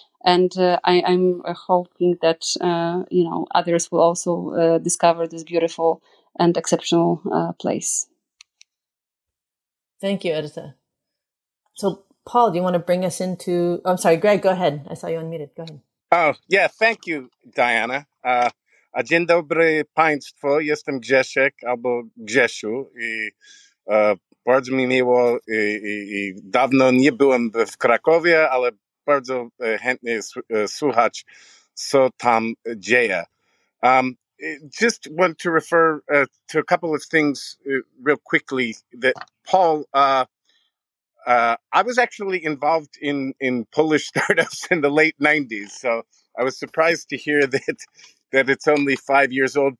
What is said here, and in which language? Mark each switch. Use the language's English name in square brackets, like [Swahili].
[English] And I'm hoping that, you know, others will also discover this beautiful and exceptional place. Thank you, Edita. So, Paul, do you want to bring us into... Oh, I'm sorry, Greg, go ahead. I saw you unmuted. Go ahead. Oh, yeah. Thank you, Diana. [Polish] Dzień dobry Państwo, jestem Grzesiek albo Grzesiu i bardzo mi miło i dawno nie byłem w Krakowie, ale bardzo chętnie słuchać, co tam dzieje. [English] Just want to refer to a couple of things real quickly. That Paul, I was actually involved in Polish startups in the late 90s, so I was surprised to hear that it's only 5 years old.